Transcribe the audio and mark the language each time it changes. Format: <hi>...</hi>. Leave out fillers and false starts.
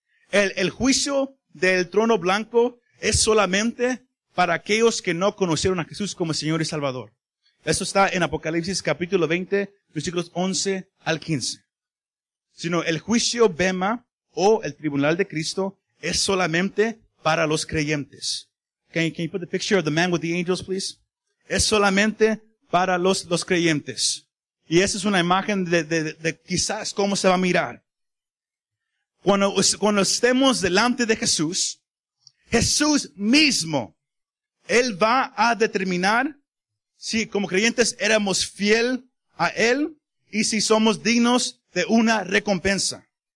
<es>El juicio del trono blanco es solamente para aquellos que no conocieron a Jesús como Señor y Salvador. Eso está en Apocalipsis capítulo 20, versículos 11 al 15. Sino el juicio Bema o el tribunal de Cristo es solamente para los creyentes.</es> <en>Can you put the picture of the man with the angels, please?</en> <es>Es solamente para los creyentes. Y esa es una imagen de quizás cómo se va a mirar. Cuando estemos delante de Jesús, Jesús mismo, Él va a determinar si como creyentes éramos fiel a Él y si somos dignos de una recompensa.</es>